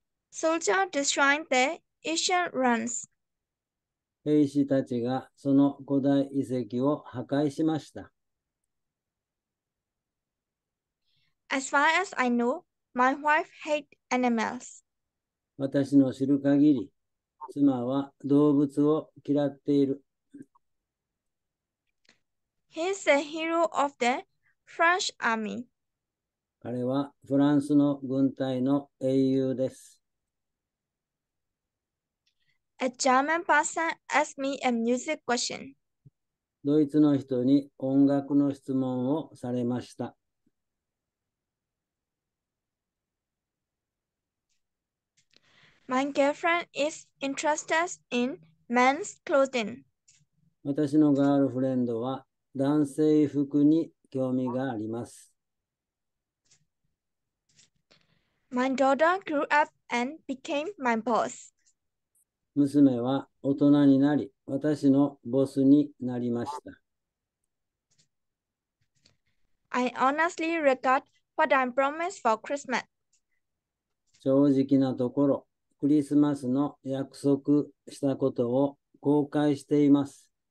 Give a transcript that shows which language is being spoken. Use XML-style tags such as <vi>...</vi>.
<en>Soldier destroying the ancient ruins.</en> <ja>兵士たちがその古代遺跡を破壊しました。</ja> <en>As far as I know, my wife hates animals.</en> <ja>私の知る限り、妻は動物を嫌っている。</ja> <en>He's the hero of the French army.</en> <ja>彼はフランスの軍隊の英雄です。</ja> <en>A German person asked me a music question.</en> <ja>ドイツの人に音楽の質問をされました。</ja> <en>My girlfriend is interested in men's clothing.</en> <ja>私のガールフレンドは男性服に興味があります。</ja> <en>My daughter grew up and became my boss.</en> <ja>娘は大人になり、私のボスになりました。</ja> <en>I honestly regret what I promised for Christmas.</en> <ja>正直なところ、クリスマスの約束したことを後悔しています。</ja>